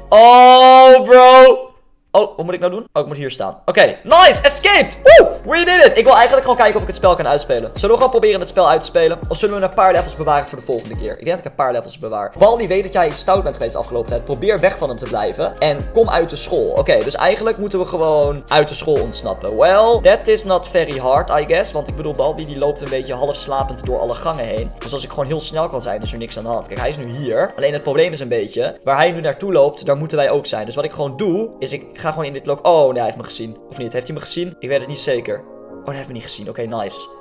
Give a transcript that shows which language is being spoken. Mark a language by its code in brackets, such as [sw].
[nl] Oh, bro. Oh, wat moet ik nou doen? Oh, ik moet hier staan. Oké, nice. Escaped. Woo! [en] We did it. [nl] Ik wil eigenlijk gewoon kijken of ik het spel kan uitspelen. Zullen we gewoon proberen het spel uit te spelen? Of zullen we een paar levels bewaren voor de volgende keer? Ik denk dat ik een paar levels bewaar. Baldi weet dat jij stout bent geweest de afgelopen tijd. Probeer weg van hem te blijven. En kom uit de school. Oké, dus eigenlijk moeten we gewoon uit de school ontsnappen. [en] Well, that is not very hard, I guess. [nl] Want ik bedoel, Baldi die loopt een beetje half slapend door alle gangen heen. Dus als ik gewoon heel snel kan zijn, is er niks aan de hand. Kijk, hij is nu hier. Alleen het probleem is een beetje. Waar hij nu naartoe loopt, daar moeten wij ook zijn. Dus wat ik gewoon doe, is ik ga gewoon in dit lok. Oh, nee, hij heeft me gezien. Of niet? Heeft hij me gezien? Ik weet het niet zeker. Oh, hij heeft me niet gezien. Oké, nice.